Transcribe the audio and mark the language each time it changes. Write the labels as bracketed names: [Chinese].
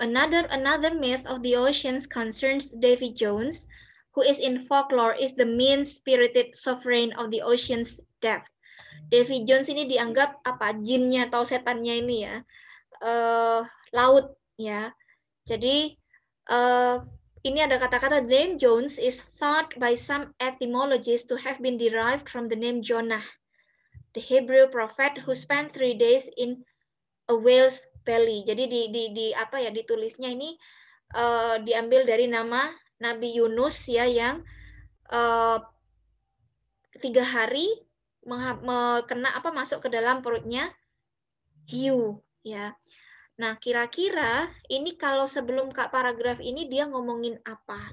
[English] Another myth of the oceans concerns Davy Jones, who is in folklore is the mean-spirited sovereign of the ocean's depth. [Indonesian] Davy Jones ini dianggap apa? Jinnya atau setannya ini ya? Laut ya. Jadi ini ada kata-kata [English] the name Jones is thought by some etymologists to have been derived from the name Jonah, the Hebrew prophet who spent 3 days in a whale's belly. [Indonesian] Jadi di apa ya ditulisnya ini diambil dari nama Nabi Yunus ya yang 3 hari masuk ke dalam perutnya hiu ya. Nah, kira-kira ini kalau sebelum Kak paragraf ini dia ngomongin apa?